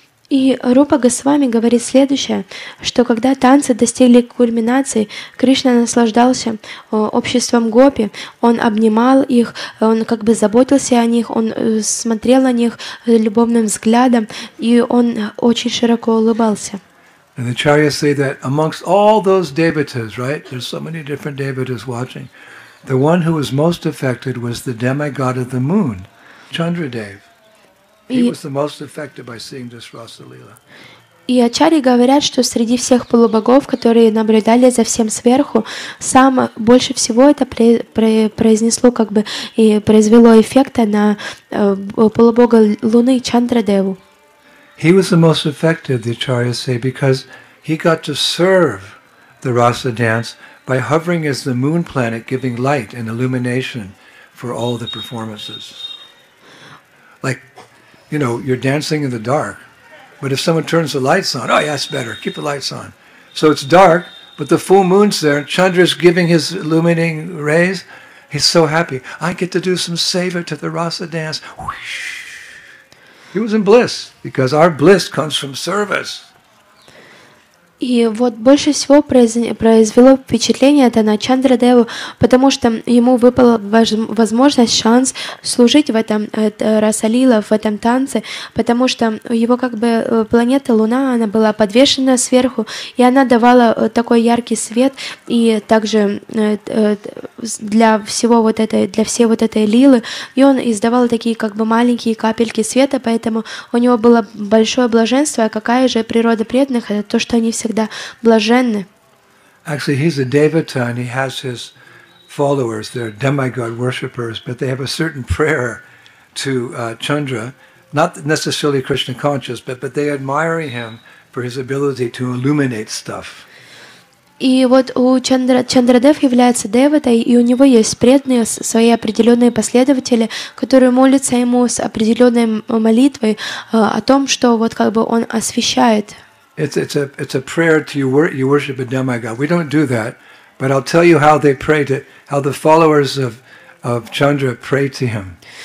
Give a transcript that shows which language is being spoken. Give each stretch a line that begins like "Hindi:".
Russian: И Рупа Госвами говорит следующее, что когда танцы достигли кульминации, Кришна наслаждался обществом гопи, он обнимал их, он как бы заботился о них, он смотрел на них любовным взглядом, и он очень широко улыбался.
English: And the Acharyas say that amongst all those devatas, right? There's so many different devatas watching. The one who was most affected was the demigod of the moon, Chandradev. He was the most affected by seeing this Rasalila.
Russian: И Ачарьи говорят, что среди всех полубогов, которые наблюдали за всем сверху, сам больше всего это произнесло как бы и произвело эффекта на полубога Луны Чандрадеву.
English: He was the most effective, the Acharyas say, because he got to serve the rasa dance by hovering as the moon planet, giving light and illumination for all the performances. Like, you know, you're dancing in the dark, but if someone turns the lights on, oh yeah, it's better, keep the lights on. So it's dark, but the full moon's there, and Chandra's giving his illuminating rays. He's so happy. I get to do some seva to the rasa dance. Whoosh. He was in bliss, because our bliss comes from service.
Russian: И вот больше всего произвело впечатление это на Чандрадеву, потому что ему выпала возможность, шанс служить в этом Расалила, в этом танце, потому что его как бы планета Луна, она была подвешена сверху, и она давала такой яркий свет, и также для всей вот этой лилы, и он издавал такие как бы маленькие капельки света, поэтому у него было большое блаженство, а какая же природа преданных, это то, что они всегда блаженны.
English: Actually, he's a devata, and he has his followers. They're demigod worshippers, but they have a certain prayer to Chandra, not necessarily Krishna conscious, but they admire him for his ability to illuminate stuff.
Russian: И вот у Чандрадев является деватой, и у него есть преданные свои определенные последователи, которые молятся ему с определенной молитвой о том, что вот как бы он освещает.
English: It's a prayer to you worship a demigod. We don't do that, but I'll tell you how they pray to how the followers of Chandra pray to him.